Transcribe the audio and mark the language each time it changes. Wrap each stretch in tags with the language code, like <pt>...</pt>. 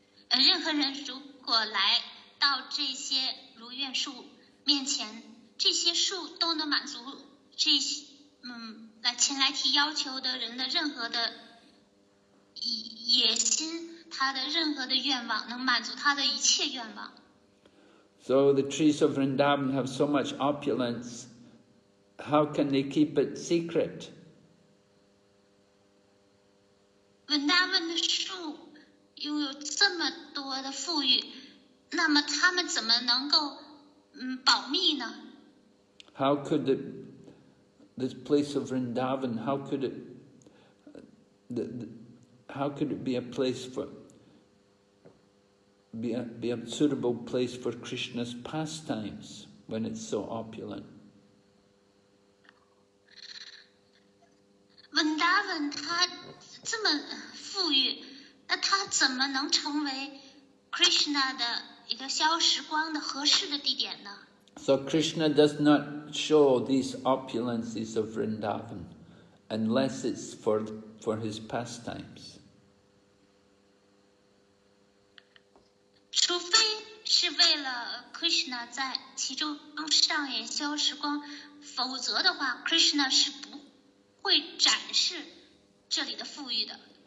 <zh>任何人如果来到这些如愿树面前，这些树都能满足这些来前来提要求的人的任何的野心。他的任何的愿望能满足他的一切愿望。</zh> <en>So the trees of Vrindavan have so much opulence. How can they keep it secret?</en> <zh>Vrindavan 的树拥有这么多的富裕，那么他们怎么能够保密呢？</zh> <en>How could this place of Vrindavan? How could it be a place for? Be a suitable place for Krishna's pastimes when it's so opulent.</en> <zh>Vrindavan, 它这么富裕，那它怎么能成为 Krishna 的一个消时光的合适的地点呢？</zh> <en>So Krishna does not show these opulences of Vrindavan unless it's for his pastimes.</en> <zh>除非是为了 Krishna 在其中上演消时光，否则的话 ，Krishna 是不会展示这里的富裕的。</zh>